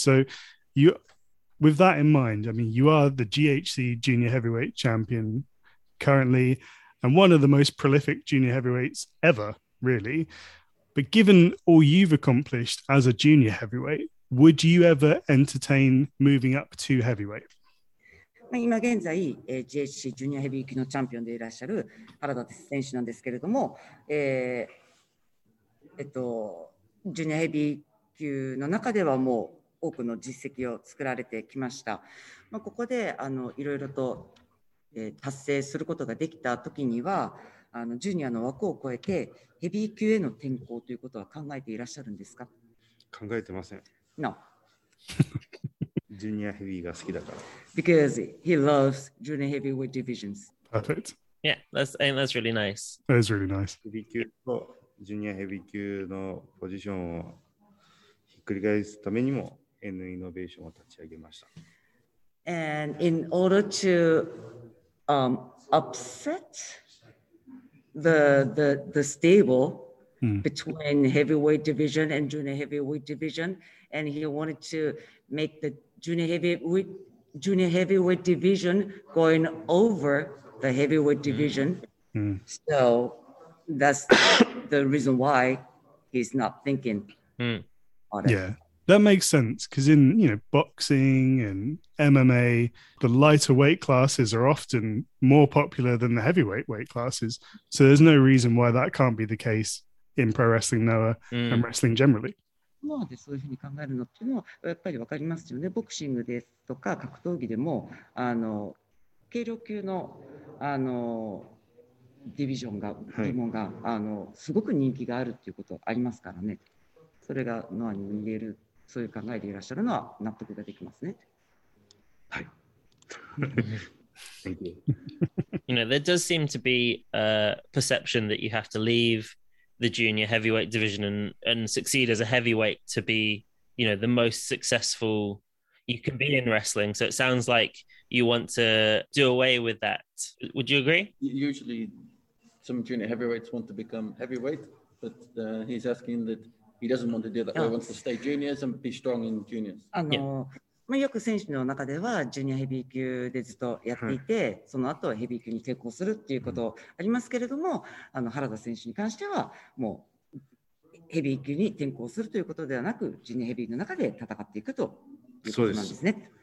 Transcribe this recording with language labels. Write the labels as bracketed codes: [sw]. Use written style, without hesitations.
[en] So, you, with that in mind, I mean, you are the GHC junior heavyweight champion currently and one of the most prolific junior heavyweights ever, really. But given all you've accomplished as a junior heavyweight, would you ever entertain moving up to heavyweight? [ja] 今現在、GHC ジュニアヘビー級のチャンピオンでいらっしゃる原田選手なんですけれども、ジュニアヘビー級の中ではもう多くの実績を作られてきました。まあ、ここでいろいろと、達成することができたときにはジュニアの枠を超えてヘビー級への転向ということは考えていらっしゃるんですか? 考えてません。 [en] No. [ja] ジュニアヘビーが好きだから。 [en] Because he loves junior heavyweight divisions. Perfect. Yeah, that's really nice. That is really nice. [ja] ヘビー級とジュニアヘビー級のポジションをひっくり返すためにも N イノベーションを立ち上げました。 [en] And in order to upset the stable between heavyweight division and junior heavyweight division, and he wanted to make the junior heavyweight division going over the heavyweight division. So that's the reason why he's not thinking on it. Yeah, that makes sense, because in, you know, boxing and MMA, the lighter weight classes are often more popular than the heavyweight weight classes. So there's no reason why that can't be the case in pro wrestling Noah and wrestling generally. [ja] まあ、そういうふうに考えるのっていうのはやっぱり分かりますよね。ボクシングですとか格闘技でも、あの軽量級の、あのディビジョンが、部門が、あのすごく人気があるっていうことありますからね。それがノアに言える、そういう考えでいらっしゃるのは納得ができますね。はい。 [en] You know, there does seem to be a perception that you have to leave the junior heavyweight division and succeed as a heavyweight to be, you know, the most successful you can be in wrestling. So it sounds like you want to do away with that. Would you agree? Usually some junior heavyweights want to become heavyweight, but he's asking that he doesn't want to do that. He wants to stay juniors and be strong in juniors. [ja] まあ、よく選手の中ではジュニアヘビー級でずっとやっていて、その後ヘビー級に転向するっていうことありますけれども、あの原田選手に関してはもうヘビー級に転向するということではなく、ジュニアヘビーの中で戦っていくということなんですね。